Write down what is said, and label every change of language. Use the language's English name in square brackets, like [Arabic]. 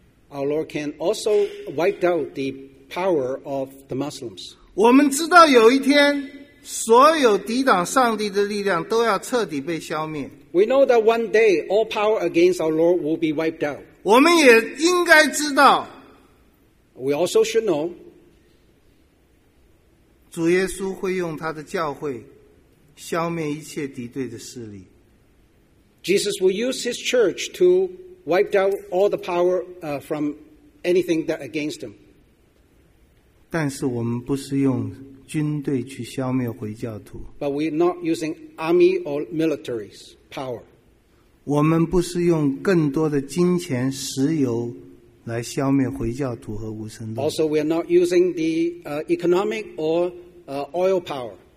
[English] Our Lord can also wipe out the power of the Muslims. [Chinese] 我们知道有一天，所有抵挡上帝的力量都要彻底被消灭。 [English] We know that one day all power against our Lord will be wiped out. [Chinese] 我们也应该知道。 [English] We also should know. [Chinese] 主耶稣会用他的教会消灭一切敌对的势力。 [English] Jesus will use his church to wipe out all the power from anything that against him. [Chinese] 但是我们不是用军队去消灭回教徒。 [English] But we're not using army or military's power. [Chinese] 我们不是用更多的金钱、石油来消灭回教徒和无神论。 [English] Also, we are not using the economic or oil power.